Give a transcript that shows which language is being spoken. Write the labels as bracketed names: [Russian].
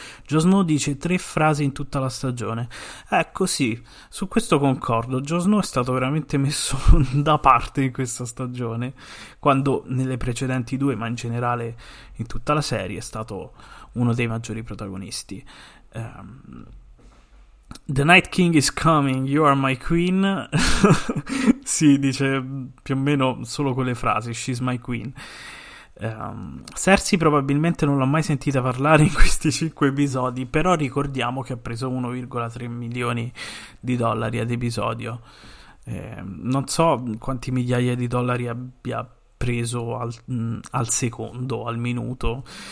[Italian] Jon Snow dice tre frasi in tutta la stagione. Ecco, sì, su questo concordo. Jon Snow è stato veramente messo da parte in questa stagione, quando nelle precedenti due, ma in generale in tutta la serie, è stato uno dei maggiori protagonisti. [English] The Night King is coming, you are my queen. [Italian] Sì, dice più o meno solo quelle frasi, [English] she's my queen. [Italian] Cersei probabilmente non l'ho mai sentita parlare in questi 5 episodi, però ricordiamo che ha preso 1,3 milioni di dollari ad episodio. Non so quanti migliaia di dollari abbia preso al secondo, al minuto.